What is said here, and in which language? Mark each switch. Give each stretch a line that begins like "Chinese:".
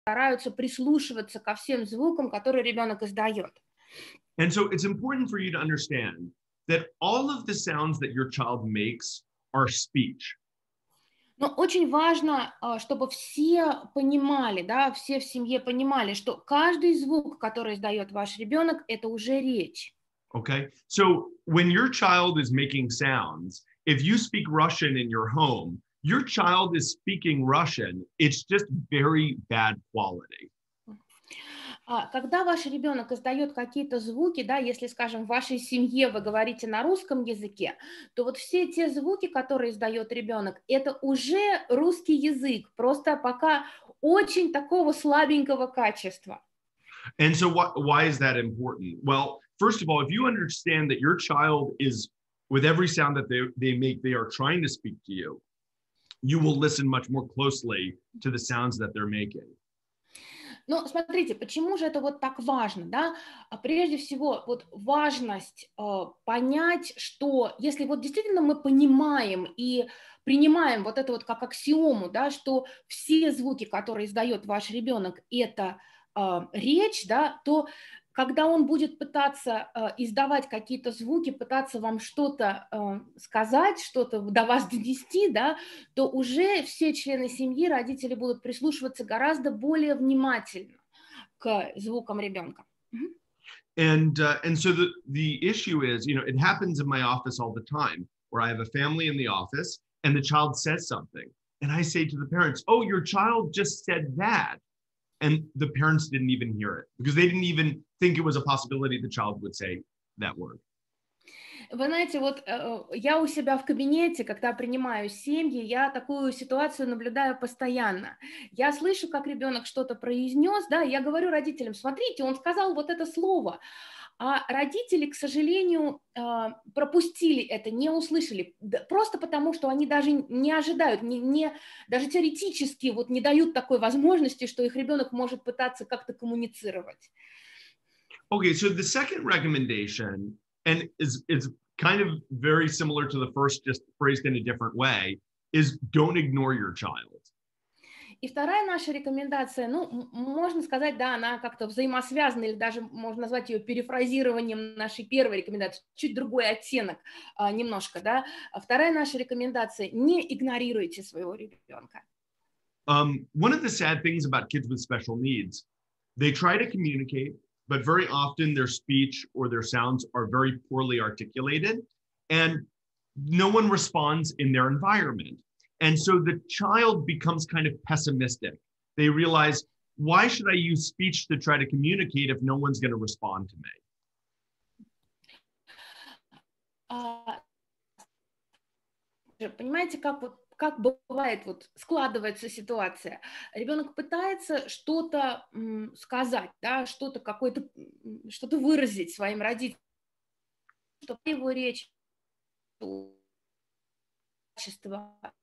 Russian: стараются прислушиваться ко всем звукам, которые ребенок издает.
English: And so it's important for you to understand that all of the sounds that your child makes are speech.
Russian: Но очень важно, чтобы все понимали, да, все в семье понимали, что каждый звук, который издает ваш ребенок, это уже речь.
English: Okay, so when your child is making sounds, if you speak Russian in your home, your child is speaking Russian, it's just very bad quality.
Russian: Когда ваш ребенок издает какие-то звуки, да, если, скажем, в вашей семье вы говорите на русском языке, то вот все те звуки, которые издает ребенок, это уже русский язык, просто пока очень такого слабенького качества.
English: And so why is that important? Well, first of all, if you understand that your child is, with every sound that they make, they are trying to speak to you, you will listen much more closely to the sounds that they're making.
Russian: Ну, смотрите, почему же это вот так важно, да? Прежде всего, вот важность понять, что если вот действительно мы понимаем и принимаем вот это вот как аксиому, да, что все звуки, которые издает ваш ребенок, это речь, да, то когда он будет пытаться издавать какие-то звуки, пытаться вам что-то сказать, что-то до вас донести, да, то уже все члены семьи, родители будут прислушиваться гораздо более внимательно к звукам ребенка.
English: And so the issue is, you know, it happens in my office all the time, where I have a family in the office, and the child says something, and I say to the parents, oh, your child just said that. And the parents didn't even hear it because they didn't even think it was a possibility the child would say that word.
Russian: Вы знаете, вот я у себя в кабинете, когда принимаю семьи, я такую ситуацию наблюдаю постоянно. Я слышу, как ребенок что-то произнес, да, я говорю родителям, смотрите, он сказал вот это слово. А родители, к сожалению, пропустили это, не услышали, просто потому, что они даже не ожидают, даже теоретически вот не дают такой возможности, что их ребенок может пытаться как-то коммуницировать.
English: Okay, so the second recommendation, and is kind of very similar to the first, just phrased in a different way, is don't ignore your child.
Russian: И вторая наша рекомендация, ну, можно сказать, да, она как-то взаимосвязана, или даже можно назвать ее перефразированием нашей первой рекомендации, чуть другой оттенок немножко, да. Вторая наша рекомендация – не игнорируйте своего ребенка.
English: One of the sad things about kids with special needs, they try to communicate, but very often their speech or their sounds are very poorly articulated, and no one responds in their environment. And so the child becomes kind of pessimistic. They realize, why should I use speech to try to communicate if no one's going to respond to me?
Russian: Понимаете, как бывает, вот складывается ситуация. Ребенок пытается что-то сказать, да, что-то какое-то, что-то выразить своим родителям, что его речь, качество.